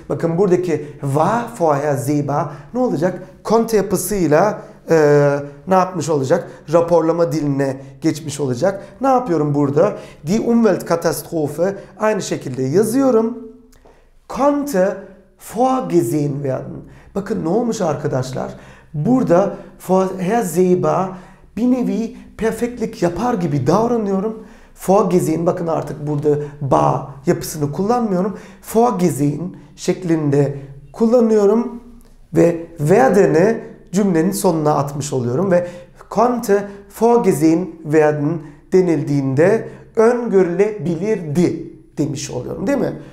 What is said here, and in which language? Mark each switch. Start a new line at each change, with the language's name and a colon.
Turkish: Bakın buradaki
German: war vorhersehbar
Turkish: ne olacak? Konte yapısıyla ne yapmış olacak? Raporlama diline geçmiş olacak. Ne yapıyorum burada?
German: Die Umweltkatastrophe
Turkish: aynı şekilde yazıyorum.
German: Konnte vorgesehen werden.
Turkish: Bakın ne olmuş arkadaşlar? Burada vorhersehbar bir nevi perfektlik yapar gibi davranıyorum. Vorgesehen bakın artık burada ba yapısını kullanmıyorum. Vorgesehen şeklinde kullanıyorum ve werden'i cümlenin sonuna atmış oluyorum ve
German: konnte vorgesehen werden
Turkish: denildiğinde öngörülebilirdi demiş oluyorum değil mi?